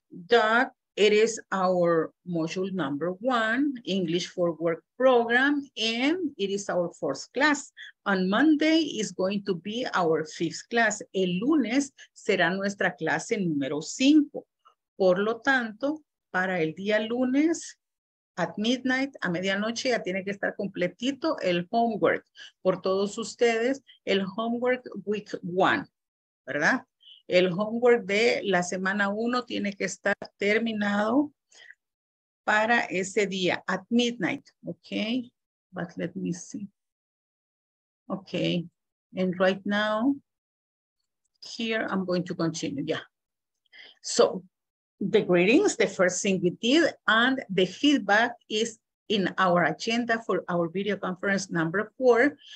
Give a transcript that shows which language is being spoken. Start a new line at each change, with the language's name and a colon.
English: That it is our module number one, English for Work program, and it is our fourth class. On Monday is going to be our fifth class.
Spanish: El lunes será nuestra clase número cinco. Por lo tanto, para el día lunes,
English: at midnight,
Spanish: a medianoche, ya tiene que estar completito el homework. Por todos ustedes, el homework week one, ¿verdad? El homework de la semana uno tiene que estar terminado para ese día,
English: at midnight,
Spanish: ¿ok?
English: But let me see. Ok, and right now, here I'm going to continue, So, the greetings, the first thing we did, and the feedback is in our agenda for our video conference number four.